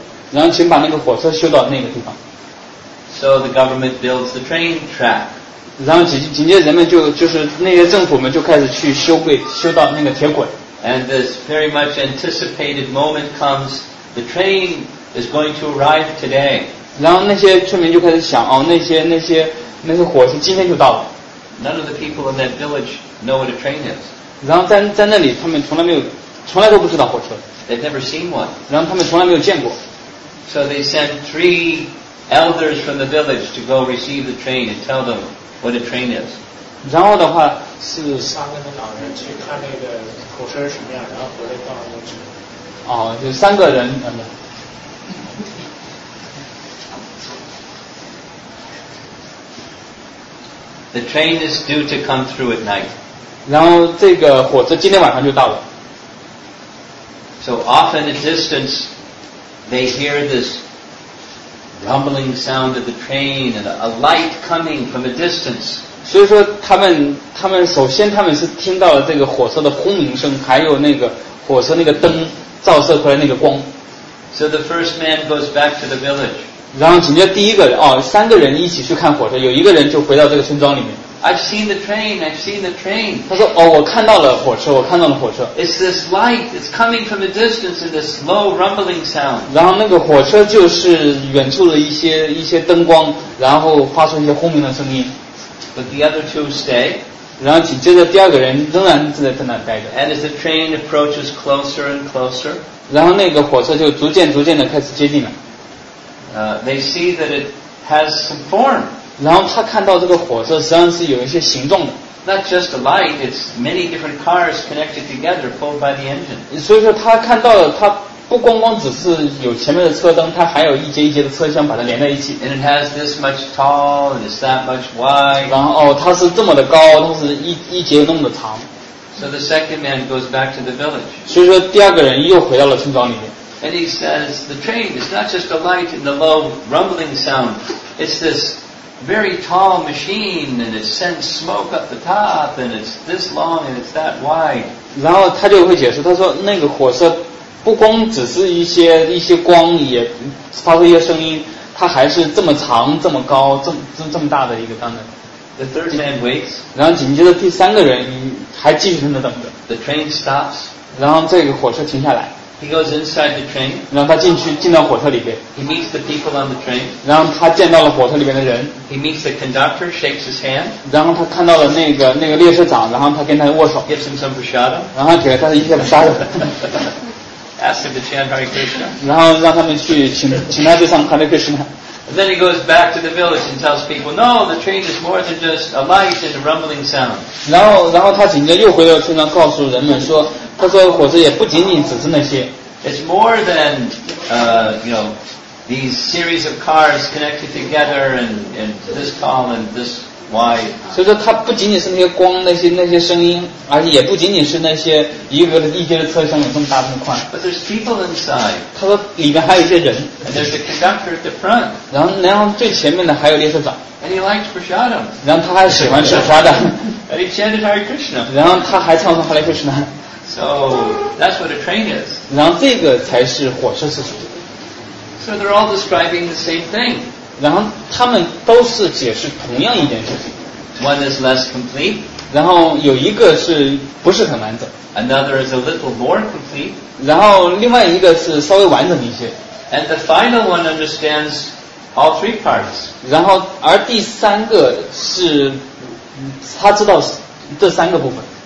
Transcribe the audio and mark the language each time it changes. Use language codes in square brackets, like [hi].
[zh] 然后请把那个火车修到那个地方。 [en] So the government builds the train track. [zh] 然后紧接着人们就是那些政府们就开始去修到那个铁轨。 [en] And this very much anticipated moment comes, the train is going to arrive today. [zh] 然后那些村民就开始想，哦，那些火车今天就到了。 [en] None of the people in that village know what a train is. [zh] 然后在那里他们从来都不知道火车。 [en] They've never seen one. [zh] 然后他们从来没有见过。 [en] So they sent three elders from the village to go receive the train and tell them what a train is. [zh] 然后的话是三个老人去看那个火车是什么样，然后回来告诉我们。哦，就三个人。 [en] The train is due to come through at night. [zh] 然后这个火车今天晚上就到了。 [en] So off in the distance,They hear this rumbling sound of the train and a light coming from a distance. [zh] 所以说他们首先他们是听到了这个火车的轰鸣声，还有那个火车那个灯照射出来那个光。 [en] So the first man goes back to the village. [zh] 然后紧接着第一个人，哦，三个人一起去看火车，有一个人就回到这个村庄里面。 [en] I've seen the train. [zh] 他说，哦，我看到了火车。 [en] It's this light. It's coming from the distance in this slow rumbling sound. [zh] 然后那个火车就是远处的一些灯光，然后发出一些轰鸣的声音。 [en] But the other two stay. [zh] 然后紧接着第二个人仍然在那待着。 [en] And as the train approaches closer and closer. [zh] 然后那个火车就逐渐的开始接近了。 [en] They see that it has some form. [zh] 然后他看到这个火车实际上是有一些形状的。 [en] Not just a light, it's many different cars connected together, pulled by the engine. [zh] 所以说他看到了，他不光只是有前面的车灯，他还有一节一节的车厢把它连在一起。 [en] And it has this much tall, and it's that much wide. [zh] 然后哦，它是这么的高，它是一节那么的长。 [en] So the second man goes back to the village. [zh] 所以说第二个人又回到了村庄里面。 [en] And he says the train is not just a light and the low rumbling sound, it's this. Very tall machine, and it sends smoke up the top, and it's this long, and it's that wide. [zh] 然后他就会解释，他说那个火车不光只是一些光，也发出一些声音，它还是这么长、这么高、这么大的一个灯的。 [en] The third man waits. [zh] 然后紧接着第三个人还继续在那等着。 [en] The train stops. [zh] 然后这个火车停下来。 [en] He goes inside the train. [zh] 然后他进到火车里边。 [en] He meets the people on the train. [zh] 然后他见到了火车里边的人。 [en] He meets the conductor, shakes his hand. [zh] 然后他看到了那个列车长，然后他跟他握手。 [en] Gives him some prasada. [zh] 然后给了他一些prasada。 [en] Ask him to chant Hare Krishna. [zh] 然后让他们去请他去唱 Hare Krishna。 [en] Then he goes back to the village and tells people, "No, the train is more than just a light and a rumbling sound." [zh] 然后他紧接着又回到村庄，告诉人们说。他说火车也不仅仅只是那些。 [en] It's more than, you know, these series of cars connected together and this tall and this wide. [zh] 所以说它不仅仅是那些光那些声音，而且也不仅仅是那些一节的车厢有这么大这么宽。 [en] But there's people inside. [zh] 他说里边还有一些人。 [en] And there's a conductor at the front. [zh] 然后最前面的还有列车长。 [en] And he likes prasada. [zh] 然后他还喜欢吃沙的。 [en] And he chanted Hare Krishna. [zh] 然后他还唱出 Hare Krishna。 [en] So that's what a train is. [zh] 然后这个才是火车是什么。 [en] So they're all describing the same thing. [zh] 然后他们都是解释同样一件事情。 [en] One is less complete. [zh] 然后有一个是不是很完整。 [en] Another is a little more complete. [zh] 然后另外一个是稍微完整一些。 [en] And the final one understands all three parts. [zh] 然后而第三个是他知道这三个部分。